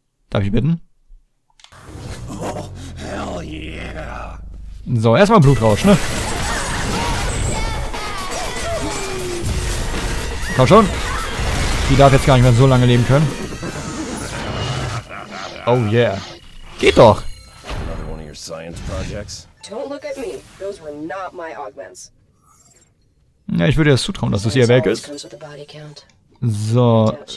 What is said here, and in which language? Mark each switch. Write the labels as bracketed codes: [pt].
[de] Darf ich bitten? [en] Oh, hell yeah. [de] So, erstmal Blutrausch, ne? Komm schon. Die darf jetzt gar nicht mehr so lange leben können. [en] Oh yeah. [de] Geht doch. [en] Another one of your science projects. Don't look at me. Those were not my augments. [de] Ja, ich würde dir das zutrauen, dass das ihr Werk ist. So.